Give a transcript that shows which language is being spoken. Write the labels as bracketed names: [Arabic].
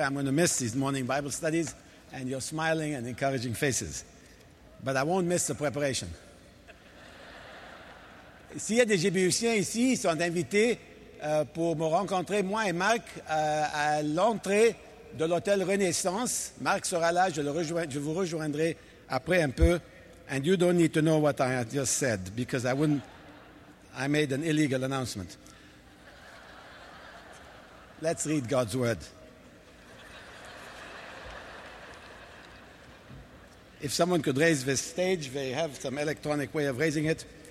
[English] I'm going to miss these morning Bible studies and your smiling and encouraging faces. But I won't miss the preparation. [French] S'il y a des Jébusiens ici, ils sont invités pour me rencontrer, moi et Marc, à l'entrée de l'hôtel Renaissance. Marc sera là, je vous rejoindrai après un peu. [English] And you don't need to know what I just said, because I made an illegal announcement. Let's read God's word. If someone could raise this stage, they have some electronic way of raising it.